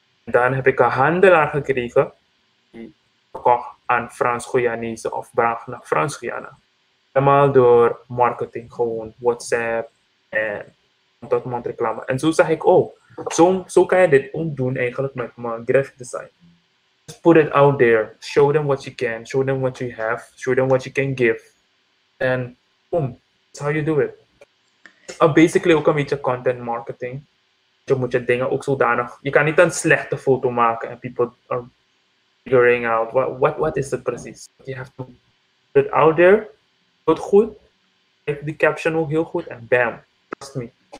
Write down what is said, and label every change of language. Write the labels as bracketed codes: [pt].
[nl] En dan heb ik een handelaar gekregen die kocht aan Frans-Guyanese of bracht naar Frans-Guyana. Helemaal door marketing, gewoon WhatsApp en mond-tot-mond reclame. En zo zag ik ook, oh, zo kan je dit ook doen eigenlijk met mijn graphic design. [en] Just put it out there, show them what you can, show them what you have, show them what you can give. And boom, that's how you do it. [nl] Basically ook een beetje content marketing. Je moet je dingen ook zodanig, je kan niet een slechte foto maken en [en] people are figuring out what [nl] is het precies. [en] You have to put it out there. [nl] Doe het goed. Schrijf de caption ook heel goed. En bam. [en] Trust me.